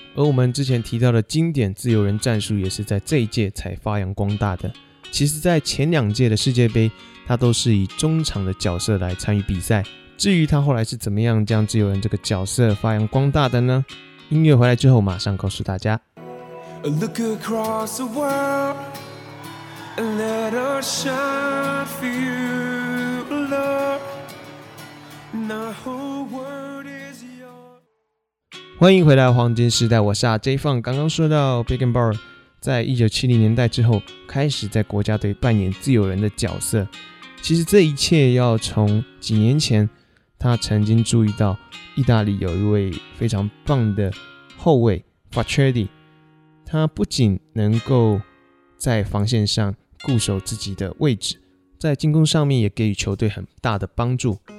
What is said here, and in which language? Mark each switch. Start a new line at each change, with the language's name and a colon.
Chinese: 而我们之前提到的经典自由人战术也是在这一届才发扬光大的。其实在前两届的世界杯他都是以中场的角色来参与比赛，至于他后来是怎么样将自由人这个角色发扬光大的呢？音乐回来之后马上告诉大家。
English: A look across the world and let us shine for you Lord, the whole world is yours。
Chinese: 欢迎回来黄金时代，我是 RJ Fang。刚刚说到 Beckham 在1970年代之后开始在国家队扮演自由人的角色，其实这一切要从几年前他曾经注意到意大利有一位非常棒的后卫 Facchetti， 他不仅能够在防线上固守自己的位置，在进攻上面也给予球队很大的帮助。